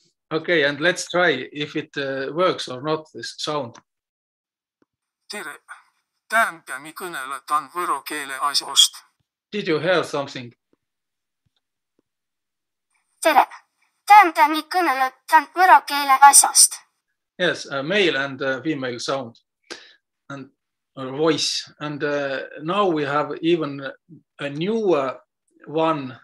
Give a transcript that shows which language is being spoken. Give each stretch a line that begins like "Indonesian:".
English: Okay, and let's try if it works or not, this sound.
Võro: Tere, tämpä mi kõneletan võro keele asjast.
English: Did you hear something?
Võro: Tere, tämpä mi kõneletan võro keele asjast.
English: Yes, a male and a female sound and or voice. And now we have even a newer one.